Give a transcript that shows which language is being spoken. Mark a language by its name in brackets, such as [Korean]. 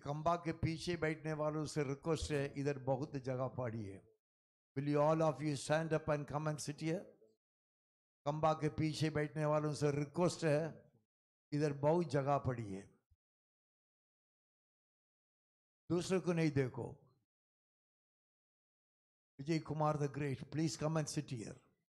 [Hindi] कंबा के पीछे बैठने वालों से रिक्वेस्ट है, इधर बहुत जगह पड़ी है. [English] Will you all of you stand up and come and sit here? [Hindi] कंबा के पीछे बैठने वालों से रिक्वेस्ट है, इधर बहुत जगह पड़ी है. दूसरे को नहीं देखो. [English] Vijay Kumar the great, please come and sit here.